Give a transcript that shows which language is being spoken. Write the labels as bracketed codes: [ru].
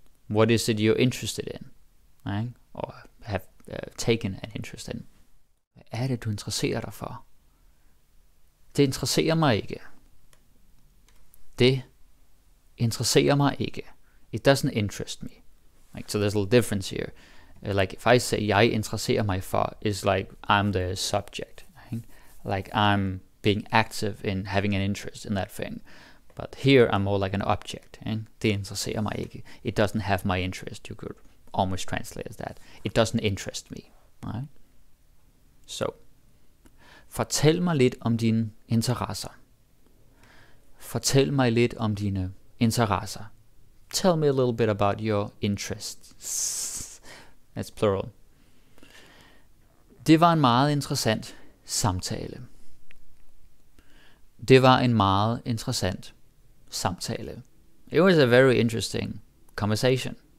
[en] What is it you're interested in? Right? Or have taken an interest in. [da] Hvad er det, du interesserer dig for? Det interesserer mig ikke. Det interesserer mig ikke. [en] It doesn't interest me. Like, so there's a little difference here. Like if I say [da] jeg interesserer mig for, [en] is like I'm the subject, right? Like I'm being active in having an interest in that thing, but here I'm more like an object, right? [da] Det interesserer mig ikke, [en] it doesn't have my interest. You could almost translate as that, it doesn't interest me, right? So [da] fortæl mig lidt om dine interesser. Fortæl mig lidt om dine interesser. [en] Tell me a little bit about your interests. That's plural. [da] Det var en meget interessant samtale. Det var en meget interessant samtale. [en] It was a very interesting conversation.